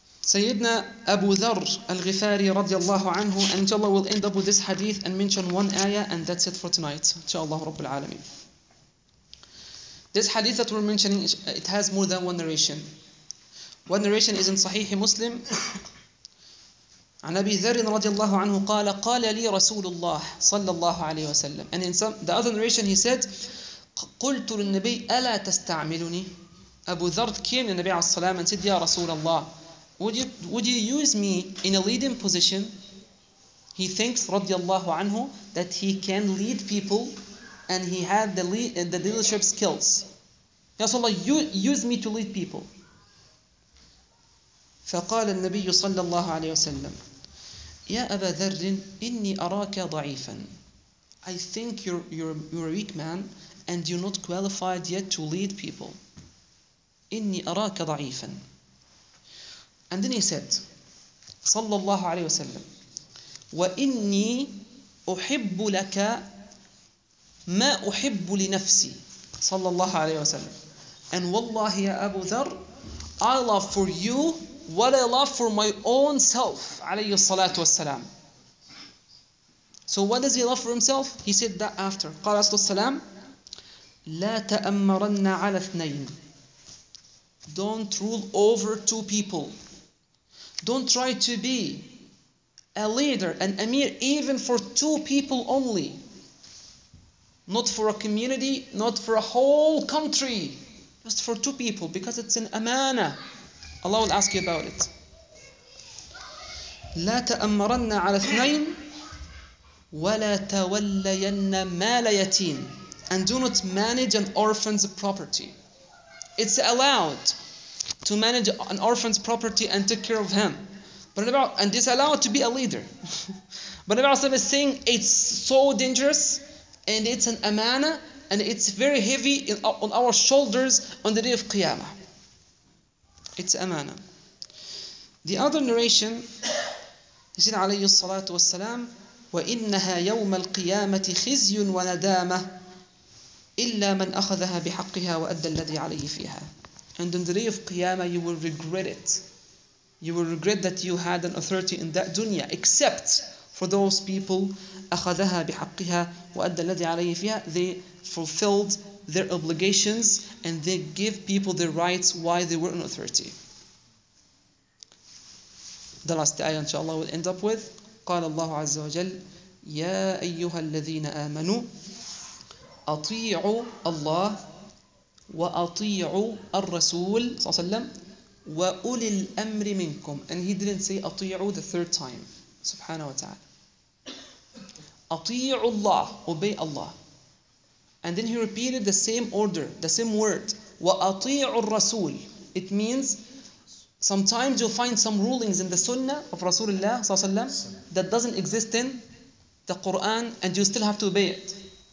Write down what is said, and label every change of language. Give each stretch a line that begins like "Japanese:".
English: Sayyidina Abu Dharr al-Ghifari radiallahu anhu, and inshallah we'll end up with this hadith and mention one ayah, and that's it for tonight. Inshallah Rabbil Alameen. This hadith that we're mentioning, it has more than one narration. One narration is in Sahih Muslim.
Arabic: عن أبي ذر رضي الله عنه قال قال لي رسول الله صلى الله عليه وسلم.
English: And in some, the other narration he said,
Arabic: قلت للنبي ألا تستعملني.
English: Abu Dharr came to
Arabic: النبي عليه الصلاة
English: and said,
Arabic: يا رسول الله,
English: would you use me in a leading position? He thinks
Arabic: رضي الله عنه
English: that he can lead people and he had the leadership skills.
Arabic: يا رسول الله,
English: use me to lead people.
Arabic: فقال النبي صلى الله عليه وسلم يا أبا ذر إني أراك ضعيفا.
English: I think you're a weak man and you're not qualified yet to lead people.
Arabic: إني أراك ضعيفا.
English: And then he said
Arabic: صلى الله عليه وسلم وإني أحب لك ما أحب لنفسي صلى الله عليه وسلم.
English: And
Arabic: والله يا أبو ذر,
English: I love for you what I love for my own self,
Arabic: عليه الصلاة والسلام.
English: So what does he love for himself? He said that after.
Arabic: قال صلى الله عليه وسلم لا تأمرن على اثنين.
English: Don't rule over two people. Don't try to be a leader, an amir, even for two people only. Not for a community, not for a whole country. Just for two people, because it's an amana. Allah will ask you about it.
Arabic: لا تأمرن على اثنين ولا تولين مال يتيم.
English: And do not manage an orphan's property. It's allowed to manage an orphan's property and take care of him. And this allowed to be a leader. But Nabi Asim is saying it's so dangerous and it's an amana and it's very heavy on our shoulders on the day of Qiyamah. It's amana. The other narration is in
Arabic: عليه الصلاة والسلام وإنها يوم القيامة خزي وندامة إلا من أخذها بحقها وأدى الذي عليه فيها.
English: And on the day of Qiyamah you will regret it. You will regret that you had an authority in that dunya except for those people
Arabic: أخذها بحقها وأدى الذي عليه فيها.
English: They fulfilled their obligations and they give people their rights while they were in authority. The last ayah inshallah will end up with
Arabic: قال الله عز وجل يا أيها الذين آمنوا أطيعوا الله وأطيعوا الرسول صلى الله عليه وسلم وأولي الأمر منكم.
English: And he didn't say أطيعوا the third time.
Arabic: سبحانه وتعالى. أطيعوا الله,
English: obey Allah. And then he repeated the same order, the same word.
Arabic: وَأَطِيعُ الرَّسُولِ.
English: It means, sometimes you'll find some rulings in the sunnah of Rasulullah
Arabic: صلى الله عليه وسلم
English: that doesn't exist in the Qur'an and you still have to obey it.